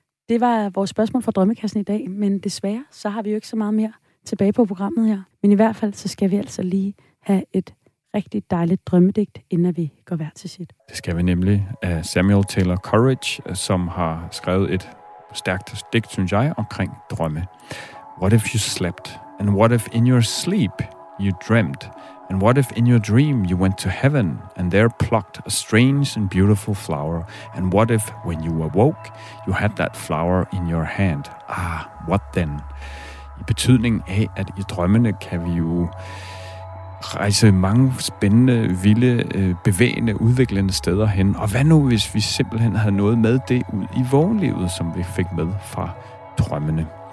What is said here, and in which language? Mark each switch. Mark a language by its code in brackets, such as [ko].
[da] Det var vores spørgsmål fra Drømmekassen i dag, men desværre, så har vi jo ikke så meget mere tilbage på programmet her. Men i hvert fald, så skal vi altså lige have et rigtig dejligt drømmedigt, inden vi går hver til sit. Det skal vi nemlig af Samuel Taylor Coleridge, som har skrevet et stærkt digt, synes jeg, omkring drømme. [en] What if you slept? And what if in your sleep you dreamt? And what if in your dream you went to heaven and there plucked a strange and beautiful flower? And what if when you awoke you had that flower in your hand? Ah, what then? [da] I betydning af, at i drømmene kan vi jo rejse mange spændende, vilde, bevægende, udviklende steder hen. Og hvad nu, hvis vi simpelthen havde noget med det ud i vågenlivet, som vi fik med fra drømmene.